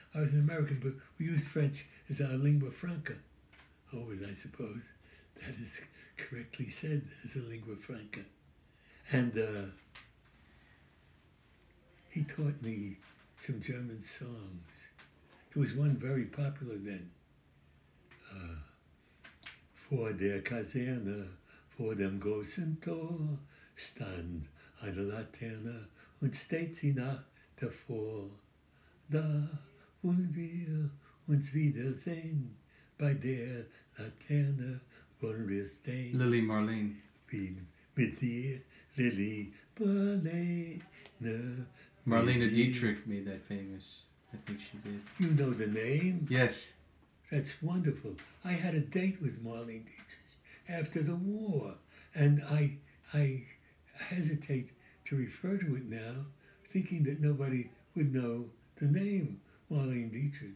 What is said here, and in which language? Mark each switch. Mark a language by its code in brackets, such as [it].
[en] I was an American, but we used French as our lingua franca. Oh, and I suppose that is correctly said, as a lingua franca. And he taught me some German songs. There was one very popular then. [de] Vor der Kaserne, vor dem großen Tor, stand eine Laterne und steht sie nach davor. Da wollen wir uns wiedersehen, bei der Laterne wollen wir stehen. Lily Marlene. Wie mit dir, Lily Marlene. [en] Marlene Dietrich made that famous. I think she did. You know the name? Yes. That's wonderful. I had a date with Marlene Dietrich after the war. And I hesitate to refer to it now, thinking that nobody would know the name Marlene Dietrich.